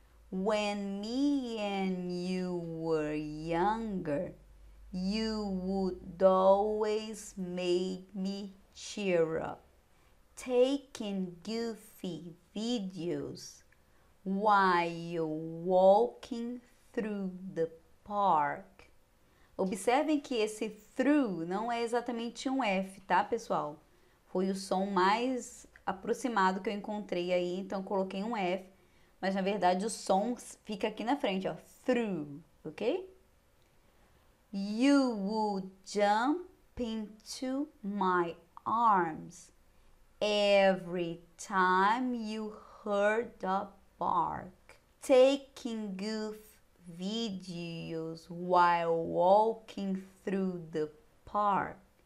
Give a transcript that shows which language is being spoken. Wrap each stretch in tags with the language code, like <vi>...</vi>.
<en>When me and you were younger, you would always make me cheer up. Taking goofy videos while you're walking through the park.</en> <pt>Observem que esse through não é exatamente um F, tá, pessoal? Foi o som mais aproximado que eu encontrei aí, então eu coloquei um F, mas na verdade o som fica aqui na frente, ó.</pt> <en>Through, ok? You would jump into my arms every time you heard the bark, taking goofy videos while walking through the park.</en>